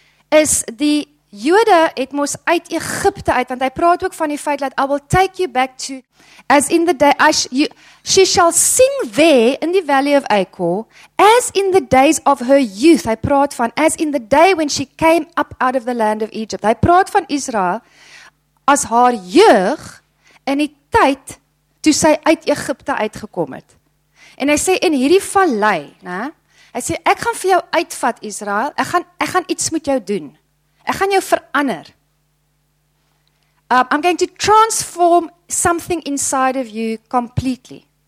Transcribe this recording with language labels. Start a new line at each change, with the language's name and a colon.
Afrikaans: Is die Jode het mos uit Egipte uit, want hy praat ook van die feit dat
English: "I will take you back to as in the day she shall sing there in the valley of Achor as in the days of her youth."
Afrikaans: Hy praat van
English: as in the day when she came up out of the land of Egypt.
Afrikaans: Hy praat van Israel as haar jeug in die tyd toe sy uit Egipte uitgekom het. En hy sê in hierdie vallei, né? Hy sê ek gaan vir jou uitvat Israel. Ek gaan iets met jou doen. Ek gaan jou verander.
English: I'm going to transform something inside of you completely.